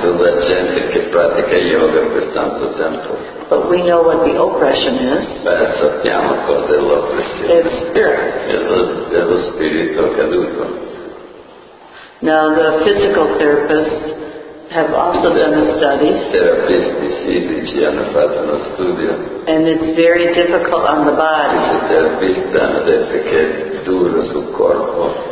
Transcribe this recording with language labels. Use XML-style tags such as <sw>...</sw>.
<it>Sulla gente che pratica yoga per tanto tempo.</it> <en>But we know what the oppression is.</en> <it>Beh, sappiamo cos'è l'oppressione.</it> <en>It's spirit.</en> <it>È lo spirito caduto.</it> <en>Now the physical therapists have also done a study.</en> <it>Terapisti fisici hanno fatto uno studio.</it> <en>And it's very difficult on the body.</en> <it>I terapisti hanno detto che è duro sul corpo.</it>